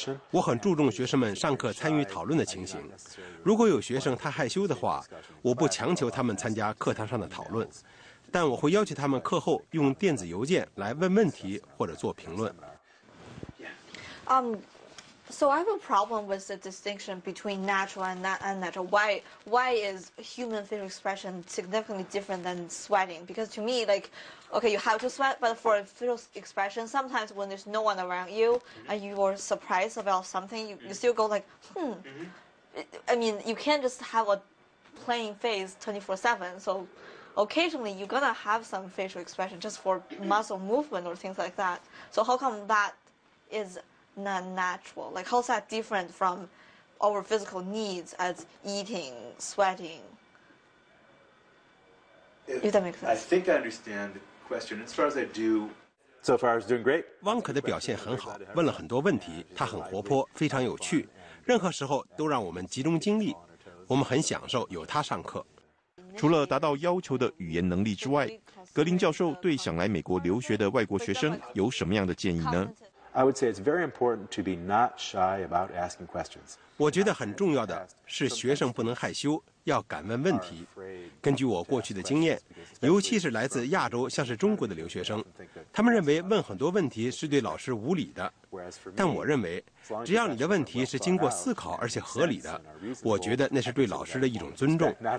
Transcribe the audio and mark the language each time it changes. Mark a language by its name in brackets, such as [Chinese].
[Chinese] 我很注重学生们上课参与讨论的情形。如果有学生他害羞的话，我不强求他们参加课堂上的讨论，但我会要求他们课后用电子邮件来问问题或者做评论。 [English] So I have a problem with the distinction between natural and unnatural. Why is human facial expression significantly different than sweating? Because to me, like, okay, you have to sweat, but for facial expression, sometimes when there's no one around you and you are surprised about something, you still go like, I mean, you can't just have a plain face 24/7. So occasionally you're gonna have some facial expression just for muscle movement or things like that. So how come that is non-natural? Like, how's that different from our physical needs as eating, sweating? If that makes sense. I think I understand the question. As far as I do, so far I was doing great. [Chinese] 汪可的表现很好，问了很多问题，他很活泼，非常有趣，任何时候都让我们集中精力，我们很享受有他上课。除了达到要求的语言能力之外，格林教授对想来美国留学的外国学生有什么样的建议呢？ [English] I would say it's very important to be not shy about asking questions. [Chinese] 我觉得很重要的是学生不能害羞，要敢问问题。根据我过去的经验，尤其是来自亚洲像是中国的留学生，他们认为问很多问题是对老师无礼的。但我认为，只要你的问题是经过思考而且合理的，我觉得那是对老师的一种尊重。